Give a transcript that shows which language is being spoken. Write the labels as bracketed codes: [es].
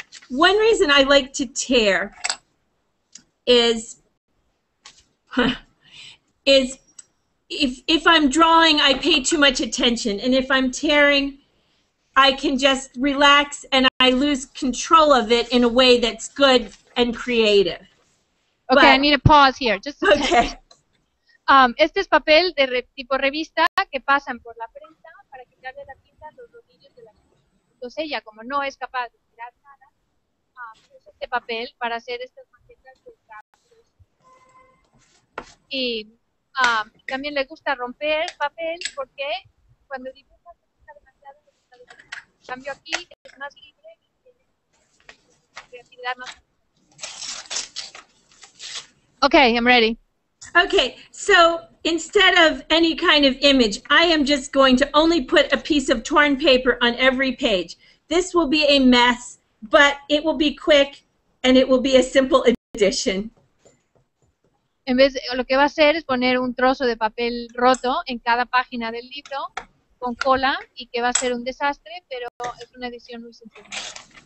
[en] One reason I like to tear is if I'm drawing, I pay too much attention, and if I'm tearing, I can just relax and I lose control of it in a way that's good and creative. Okay, but, I need a pause here. Just a okay. [es] Este es papel de tipo revista que pasan por la prensa para quitarle la tinta a los rodillos de la mano. Entonces ella, como no es capaz de tirar nada, usa este papel para hacer estas maquetas de cables. Y también le gusta romper papel porque cuando dibuja se gusta demasiado. En cambio aquí es más libre y tiene creatividad más. [en] Okay, I'm ready. Okay, so instead of any kind of image, I am just going to only put a piece of torn paper on every page. This will be a mess, but it will be quick, and it will be a simple addition. [es] En vez de, lo que va a hacer es poner un trozo de papel roto en cada página del libro con cola, y que va a ser un desastre, pero es una edición muy sencilla.